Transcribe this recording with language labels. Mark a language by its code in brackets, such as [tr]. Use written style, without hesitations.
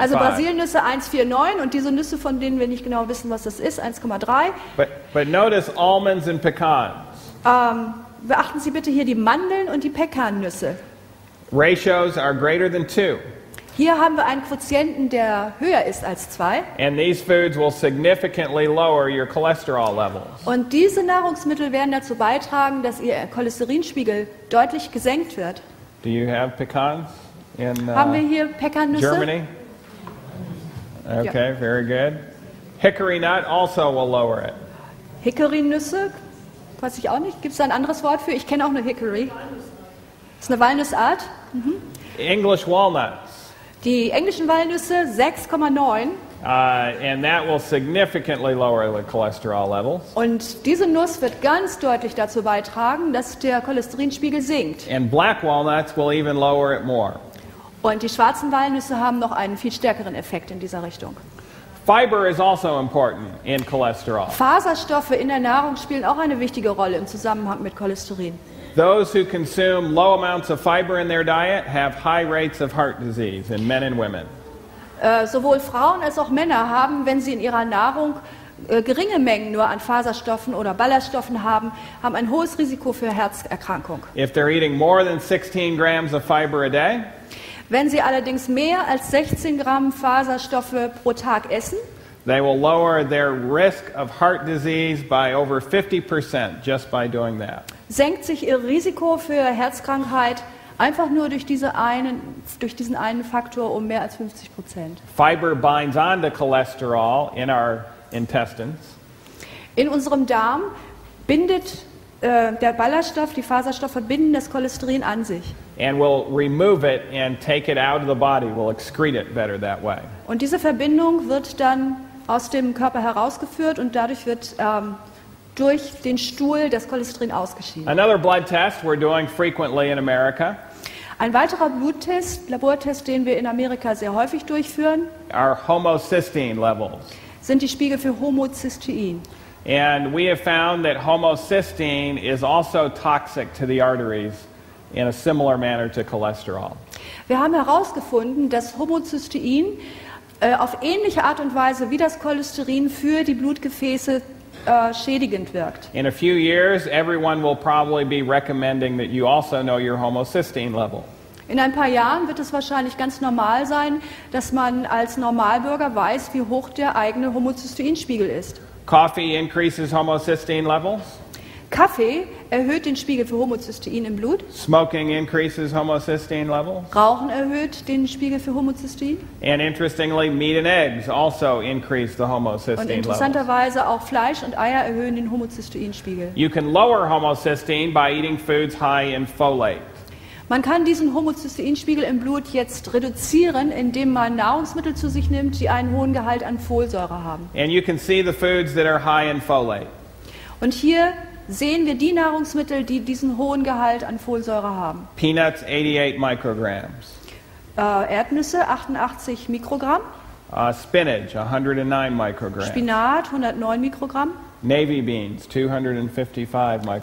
[de] Also Brasilnüsse 1,49 und diese Nüsse, von denen wir nicht genau wissen, was das ist, 1,3. [en] But notice almonds and pecans. [de] Beachten Sie bitte hier die Mandeln und die Pekannüsse. [en] Ratios are greater than 2. [de] Hier haben wir einen Quotienten, der höher ist als 2. [en] And these foods will significantly lower your cholesterol levels. [de] Und diese Nahrungsmittel werden dazu beitragen, dass Ihr Cholesterinspiegel deutlich gesenkt wird. [en] Do you have pecans in [de] haben wir hier Pekannüsse? [en] Germany? Okay, ja. Very good. Hickory nut also will lower it. [de] Hickory-Nüsse? Weiß ich auch nicht. Gibt es da ein anderes Wort für? Ich kenne auch nur Hickory. Das ist eine Walnussart. Mhm. [en] English walnuts. [de] Die englischen Walnüsse 6,9. [en] And that will significantly lower the cholesterol levels. [de] Und diese Nuss wird ganz deutlich dazu beitragen, dass der Cholesterinspiegel sinkt. [en] And black walnuts will even lower it more. [de] Und die schwarzen Walnüsse haben noch einen viel stärkeren Effekt in dieser Richtung. [en] Fiber is also important in cholesterol. [de] Faserstoffe in der Nahrung spielen auch eine wichtige Rolle im Zusammenhang mit Cholesterin. [en] Those who consume low amounts of fiber in their diet have high rates of heart disease in men and women. [de] Sowohl Frauen als auch Männer haben, wenn sie in ihrer Nahrung geringe Mengen nur an Faserstoffen oder Ballaststoffen haben, haben ein hohes Risiko für Herzerkrankung. [en] If they're eating more than 16 grams of fiber a day, [de] wenn sie allerdings mehr als 16 Gramm Faserstoffe pro Tag essen, [en] they will lower their risk of heart disease by over 50% just by doing that. [de] Senkt sich ihr Risiko für Herzkrankheit einfach nur durch diesen einen Faktor um mehr als 50%. [en] Fiber binds on to cholesterol in our intestines. [de] In unserem Darm bindet der Ballaststoff, die Faserstoffe binden das Cholesterin an sich. [en] And will remove it and take it out of the body. We'll excrete it better that way. [de] Und diese Verbindung wird dann aus dem Körper herausgeführt und dadurch wird durch den Stuhl das Cholesterin ausgeschieden. [en] Another blood test we're doing frequently in America. [de] Ein weiterer Labortest, den wir in Amerika sehr häufig durchführen, [en] are homocysteine levels. [de] Sind die Spiegel für Homocystein. [en] And we have found that homocysteine is also toxic to the arteries in a similar manner to cholesterol. [de] Wir haben herausgefunden, dass Homocystein auf ähnliche Art und Weise wie das Cholesterin für die Blutgefäße schädigend wirkt. [en] In a few years everyone will probably be recommending that you also know your homocysteine level. [de] In ein paar Jahren wird es wahrscheinlich ganz normal sein, dass man als Normalbürger weiß, wie hoch der eigene Homocysteinspiegel ist. [en] Coffee increases homocysteine levels. [de] Kaffee erhöht den Spiegel für Homocystein im Blut. [en] Smoking increases homocysteine levels. [de] Rauchen erhöht den Spiegel für Homocystein. [en] And interestingly, meat and eggs also increase the homocysteine levels. [de] Und interessanterweise auch Fleisch und Eier erhöhen den Homocysteinspiegel. [en] You can lower homocysteine by eating foods high in folate. [de] Man kann diesen Homocysteinspiegel im Blut jetzt reduzieren, indem man Nahrungsmittel zu sich nimmt, die einen hohen Gehalt an Folsäure haben. [en] And you can see the foods that are high in folate. [de] Und hier sehen wir die Nahrungsmittel, die diesen hohen Gehalt an Folsäure haben. [en] Peanuts 88 micrograms. [de] Erdnüsse 88 Mikrogramm. [en] Spinach 109 micrograms. [de] Spinat 109 Mikrogramm. [en] Navy beans 255 micrograms.